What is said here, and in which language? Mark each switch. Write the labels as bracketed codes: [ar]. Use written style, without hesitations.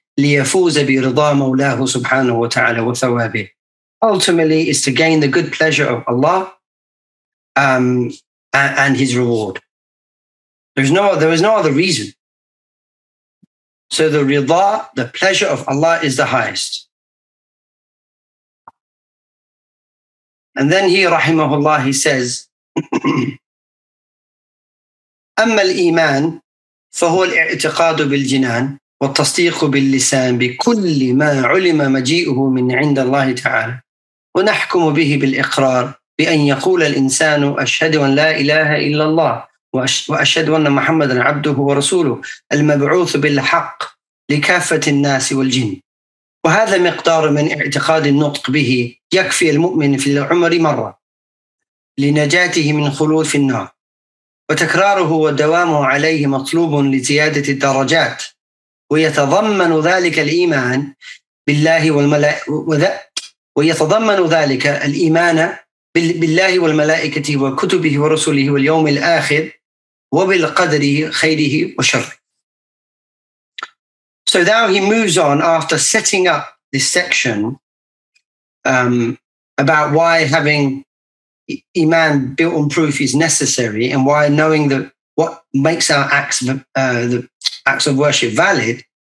[ar] لِيَفُوزَ بِرِضَى مَوْلَاهُ سُبْحَانَهُ وَتَعَالَى وَثَوَابِهِ. [en] Ultimately, is to gain the good pleasure of Allah and His reward. There is no other reason. So the rida, the pleasure of Allah, is the highest. And then he, rahimahullah, he says, [ar] أما الإيمان فهو الاعتقاد بالجنان والتصديق باللسان بكل ما علم مجيئه من عند الله تعالى. ونحكم به بالإقرار بأن يقول الإنسان أشهد أن لا إله إلا الله وأشهد أن محمدا عبده ورسوله المبعوث بالحق لكافة الناس والجن. وهذا مقدار من اعتقاد النطق به يكفي المؤمن في العمر مرة لنجاته من خلوف النار. وتكراره والدوام عليه مطلوب لزيادة الدرجات. ويتضمن ذلك الإيمان بالله والملائكة ويتضمن ذلك الإيمان بالله والملائكة وكتبه ورسله واليوم الآخر وبالقدر خيره وشره. [en] So now he moves on after setting up this section about why having iman built on proof is necessary and why knowing what makes our acts the acts of worship valid.